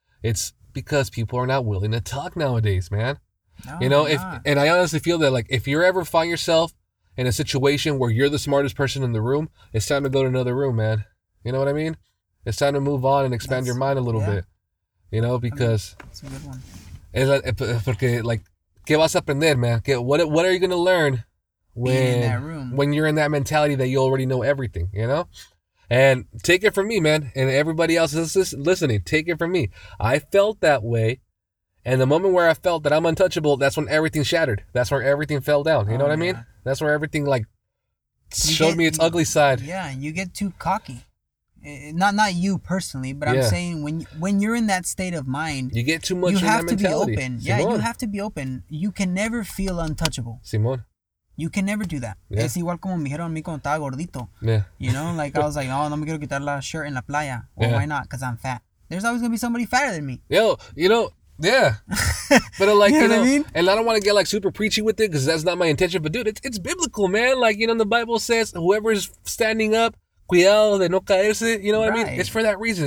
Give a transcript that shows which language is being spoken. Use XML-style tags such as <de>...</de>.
<en>It's because people are not willing to talk nowadays, man. No, you know, and I honestly feel that, like, if you ever find yourself in a situation where you're the smartest person in the room, it's time to go to another room, man. You know what I mean? It's time to move on and expand your mind a little bit. You know, because... that's a good one.</en> <es>Es porque, like, ¿qué vas a aprender, man?</es> <en>What are you going to learn when you're in that mentality that you already know everything, you know? And take it from me, man. And everybody else is listening. Take it from me. I felt that way. And the moment where I felt that I'm untouchable, that's when everything shattered. That's where everything fell down. You know what I mean? That's where everything, like, showed me its ugly side. Yeah, you get too cocky. Not you personally, but I'm saying when you're in that state of mind, you get too much. You have to be open. Simone. Yeah, you have to be open. You can never feel untouchable. Simón. You can never do that.</en> <es>Yeah. Es igual como me dijeron a mí cuando estaba gordito.</es> <en>Yeah. You know, like I was like, oh, no me quiero quitar la shirt en la playa. Well, why not? Because I'm fat. There's always gonna be somebody fatter than me. But like, you know what I mean? And I don't want to get like super preachy with it because that's not my intention. But dude, it's biblical, man. Like, you know, the Bible says whoever is standing up, cuidado de no caerse, you know what I mean? It's for that reason.</en>